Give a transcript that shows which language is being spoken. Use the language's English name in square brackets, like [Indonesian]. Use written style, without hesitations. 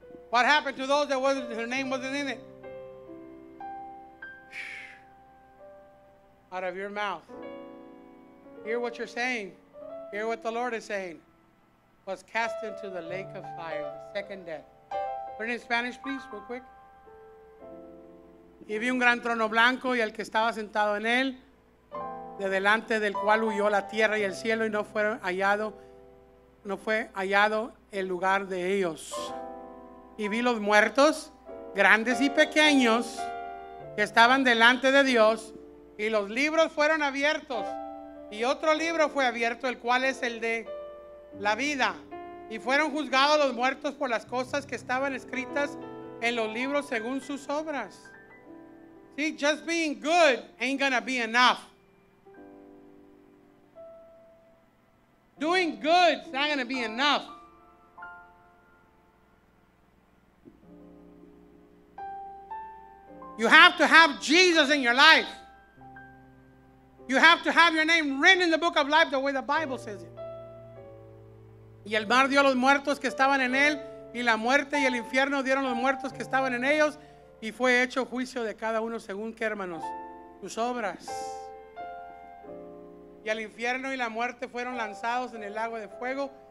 [English] What happened to those that wasn't, their name wasn't in it? Out of your mouth. Hear what you're saying. Hear what the Lord is saying. Was cast into the lake of fire, the second death. Put it in Spanish, please, real quick. [Spanish] Y vi un gran trono blanco y el que estaba sentado en él, de delante del cual huyó la tierra y el cielo y no fue hallado el lugar de ellos. Y vi los muertos, grandes y pequeños, que estaban delante de Dios, y los libros fueron abiertos, y otro libro fue abierto, el cual es el de la vida. Y fueron juzgados los muertos por las cosas que estaban escritas en los libros según sus obras. [English] See, just being good ain't gonna be enough. Doing good is not gonna be enough. You have to have Jesus in your life. You have to have your name written in the book of life the way the Bible says it. [Spanish] Y el mar dio a los muertos que estaban en él, y la muerte y el infierno dieron los muertos que estaban en ellos, y fue hecho juicio de cada uno según qué, hermanos, sus obras. Y el infierno y la muerte fueron lanzados en el lago de fuego.